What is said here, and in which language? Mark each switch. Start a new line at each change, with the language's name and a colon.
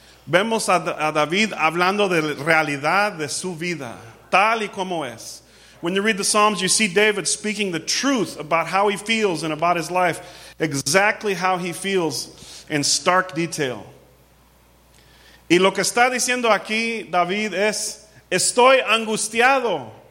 Spanish: Vemos a David hablando de la realidad de su vida, tal y como es.
English: When you read the Psalms, you see David speaking the truth about how he feels and about his life, exactly how he feels in stark detail.
Spanish: Y lo que está diciendo aquí David es, estoy angustiado.